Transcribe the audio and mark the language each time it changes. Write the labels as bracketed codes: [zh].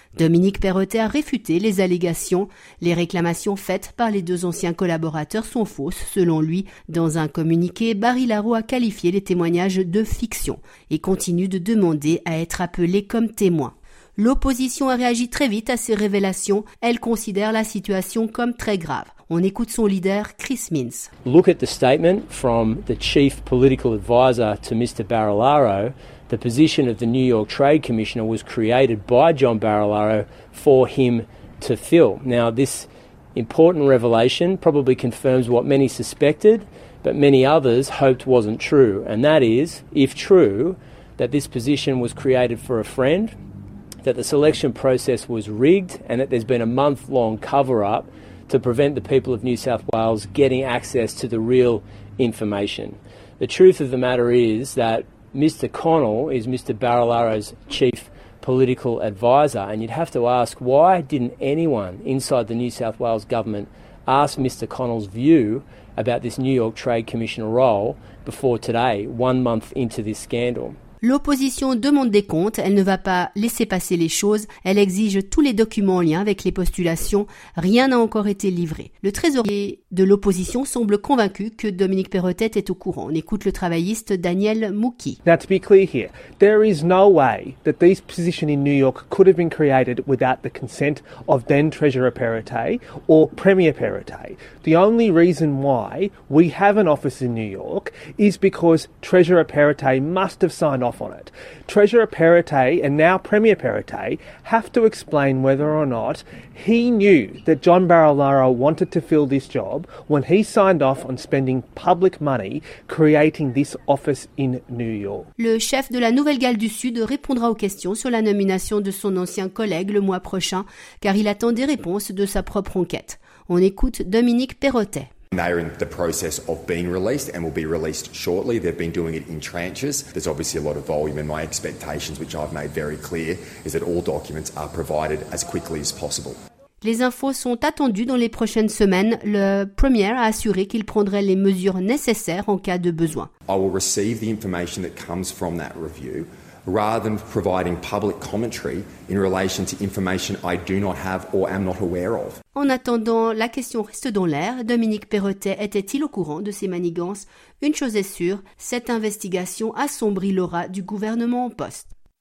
[fr] Dominique Perrottet a réfuté les allégations. Les réclamations faites par les deux anciens collaborateurs sont fausses, selon lui. Dans un communiqué, Barilaro a qualifié les témoignages de fiction et continue de demander à être appelé comme témoin. L'opposition a réagi très vite à ces révélations. Elle considère la situation comme très grave. On écoute son leader, Chris Minns. [en] Look at the statement from the chief political advisor to Mr. Barilaro. The position of the New York Trade Commissioner was created by John Barilaro for him to fill. Now, this important revelation probably confirms what many suspected, but many others hoped wasn't true. And that is, if true, that this position was created for a friend, that the selection process was rigged, and that there's been a month-long cover-up to prevent the people of New South Wales getting access to the real information. The truth of the matter is that Mr. Connell is Mr. Barilaro's chief political advisor, and you'd have to ask, why didn't anyone inside the New South Wales government ask Mr. Connell's view about this New York Trade Commissioner role before today, 1 month into this scandal? [fr] L'opposition demande des comptes, elle ne va pas laisser passer les choses, elle exige tous les documents en lien avec les postulations, rien n'a encore été livré. Le trésorier de l'opposition semble convaincu que Dominique Perrottet est au courant. On écoute le travailliste Daniel Mouki. [en] Now to be clear here, there is no way that these positions in New York could have been created without the consent of then Treasurer Perrottet or Premier Perrottet. The only reason why we have an office in New York is because Treasurer Perrottet must have signed off on it. Treasurer Perrottet and now Premier Perrottet have to explain whether or not he knew that John Barilaro wanted to fill this job when he signed off on spending public money creating this office in New York. [fr] Le chef de la Nouvelle-Galles du Sud répondra aux questions sur la nomination de son ancien collègue le mois prochain, car il attend des réponses de sa propre enquête. On écoute Dominique Perrottet. [en] They are in the process of being released and will be released shortly. They've been doing it in tranches. There's obviously a lot of volume, and my expectations, which I've made very clear, is that all documents are provided as quickly as possible. [fr] Les infos sont attendues dans les prochaines semaines. Le Premier a assuré qu'il prendrait les mesures nécessaires en cas de besoin. [en] I will receive the information that comes from that review. Rather than providing public commentary in relation to information I do not have or am not aware of. [fr] En attendant, la question reste dans l'air. Dominique Perrottet était-il au courant de ces manigances? Une chose est sûre, cette investigation assombrit l'aura du gouvernement en poste.